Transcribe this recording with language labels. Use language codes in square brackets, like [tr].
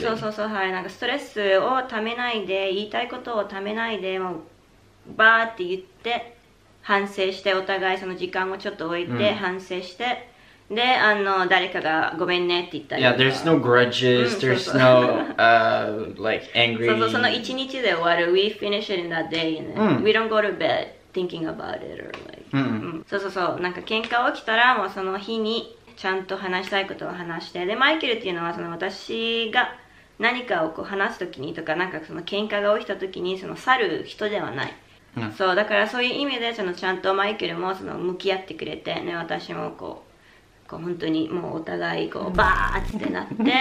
[ja] そうそうそう、はい、なんかストレスをためないで、言いたいことをためないで、もうバーって言って反省して、お互いその時間をちょっと置いて反省して、で、あの誰かがごめんねって言ったり。 [en] Yeah, there's no grudges, there's no like angry. [ja] そうそう、その一日で終わる。 [en] We finish it in that day, and we don't go to bed thinking about it or like. [ja] そうそうそう、なんか喧嘩起きたらもうその日に。ちゃんと話したいことを話して、でマイケルっていうのはその私が何かをこう話すときにとか、なんかその喧嘩が起きたときにその去る人ではない、そうだから、そういう意味でそのちゃんとマイケルもその向き合ってくれて、ね、私もこう本当にもうお互いこうバーッってなって